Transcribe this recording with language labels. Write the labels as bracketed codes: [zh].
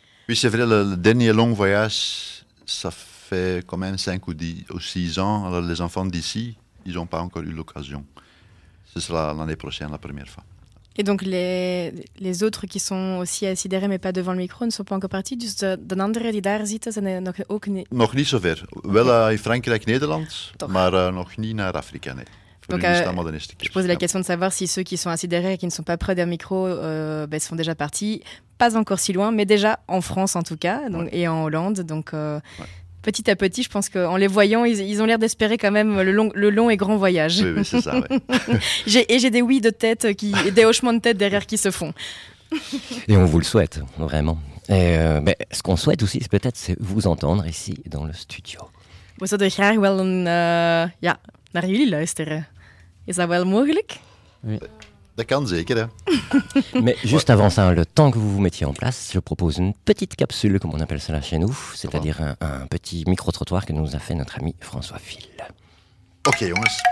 [fr] Oui, c'est vrai, le dernier long voyage, ça fait quand même 5 ou 6 ans. Alors, les enfants d'ici, ils n'ont pas encore eu l'occasion. Ce sera l'année prochaine, la première fois. Et donc les autres qui sont aussi assis derrière mais pas devant le micro ne sont pas encore partis, [nl] dus de andere die daar zitten zijn nog ook niet. Nog niet zover. Wel in Frankrijk, Nederland, maar nog niet naar Afrika. Nee. [fr] Donc je pose la question de savoir si ceux qui sont assis derrière et qui ne sont pas près d'un micro sont déjà partis, pas encore si loin, mais déjà en France en tout cas, donc ouais. Et en Hollande, donc ouais. Petit à petit, je pense que en les voyant, ils ont l'air d'espérer quand même le long et grand voyage. Oui, c'est ça. Ouais. j'ai des oui de tête qui et des hochements de tête derrière qui se font. Et on vous le souhaite vraiment. Et mais ce qu'on souhaite aussi, c'est peut-être c'est vous entendre ici dans le studio. [nl] We zouden graag wel een ja naar jullie luisteren. Is dat wel mogelijk? [fr] Oui. [nl] Dat kan zeker, hè. [fr] Mais juste avant ça, le temps que vous vous mettiez en place, je propose une petite capsule, comme on appelle ça là chez nous, c'est-à-dire un petit micro-trottoir que nous a fait notre ami François Ville. Ok, on va.